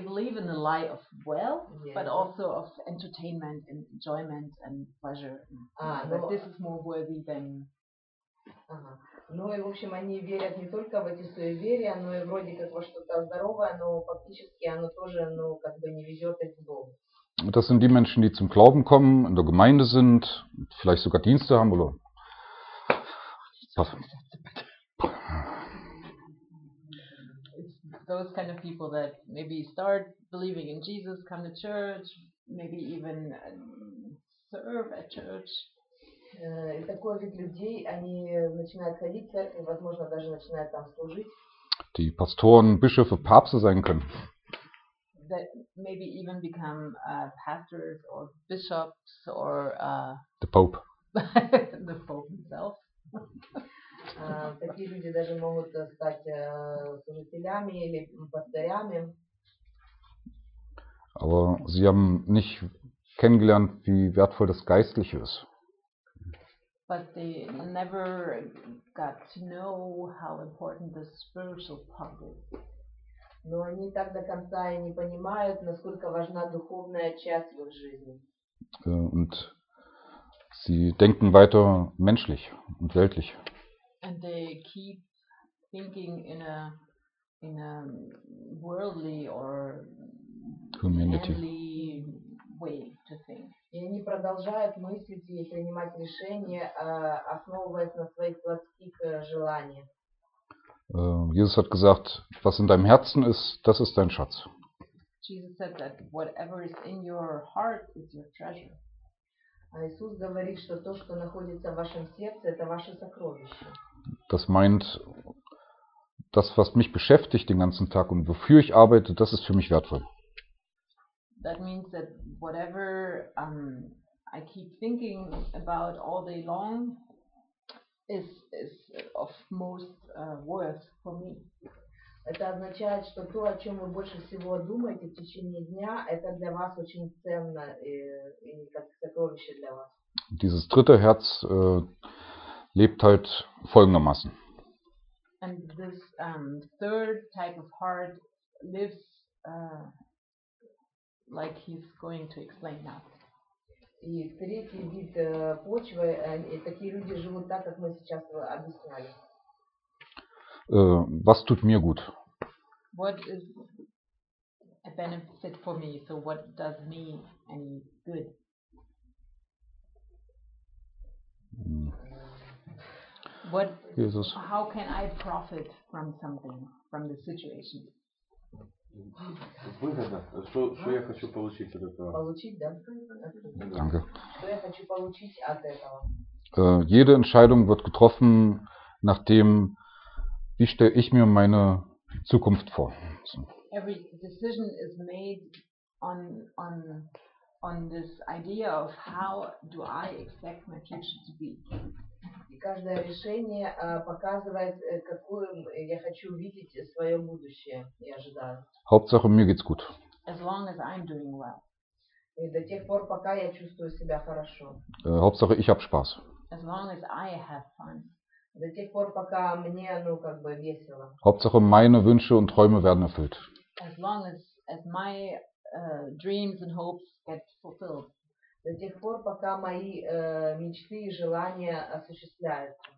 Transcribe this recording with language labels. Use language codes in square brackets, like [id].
[en] believe in the lie of wealth, yes, but also of entertainment and enjoyment and pleasure. That this is more worthy than. [ru] Ну и в общем они верят не только в эти суеверия, но и вроде как во что-то здоровое, но фактически оно тоже, ну как бы не везет этим Богу. [de] Das sind die Menschen, die zum Glauben kommen, in der Gemeinde sind, vielleicht sogar Dienste haben oder. [en] Those kind of people that maybe start believing in Jesus, come to church, maybe even serve at church. [ru] И такой вид людей, они начинают ходить в церковь, возможно, даже начинают там служить. [de] Die Pastoren, Bischöfe, Papste sein können. [en] That maybe even become pastors or bishops or the Pope. The Pope himself. [ru] Такие люди даже могут стать служителями или пастырями. [de] Aber sie haben nicht kennengelernt, wie wertvoll das Geistliche ist. [en] But they never got to know how important the spiritual part is. [ru] Но они так до конца и не понимают, насколько важна духовная часть в их жизни. [de] Und sie denken weiter menschlich und weltlich. [en] And they keep thinking in a worldly or humanly way to think. [ru] И они продолжают мыслить и принимать решения, основываясь на своих плотских желаниях. [de] Jesus hat gesagt, was in deinem Herzen ist, das ist dein Schatz. [en] Jesus said that whatever is in your heart is your treasure. [ru] Jesus говорит, что то, что находится в вашем сердце, это ваше сокровище. [de] Das meint, das, was mich beschäftigt den ganzen Tag und wofür ich arbeite, das ist für mich wertvoll. [en] That means that whatever I keep thinking about all day long is of most worth for me. [ru] Это означает, что то, о чем вы больше всего думаете в течение дня, это для вас очень ценно и как сокровище для вас. [de] Dieses dritte Herz lebt halt folgendermaßen. [en] And this third type of heart lives like he's going to explain now. [ru] И третий вид почвы, и такие люди живут так, как мы сейчас объясняли. [de] Was tut mir gut? [en] What is a benefit for me? So what does me any good? What, Jesus. How can I profit from something, from the situation? [ru] Выгода. Что я хочу получить от этого? Получить, да? [de] Danke. [ru] Что я хочу получить от этого? [de] Jede Entscheidung wird getroffen nach dem, wie stelle ich mir meine Zukunft vor. [en] So. Every decision is made on this idea of how do I expect my future to be. [ru] И каждое решение показывает, какую я хочу видеть свое будущее и ожидаю. [de] Hauptsache, mir geht's gut. [en] As long as I'm doing well. [ru] И до тех пор, пока я чувствую себя хорошо. [de] Hauptsache, ich habe Spaß. [en] As long as I have fun. [ru] До тех пор, пока мне, ну, как бы весело. [de] Hauptsache meine Wünsche und Träume werden erfüllt. [en] As long as my dreams and hopes get fulfilled. [ru] До тех пор, пока мои мечты и желания осуществляются.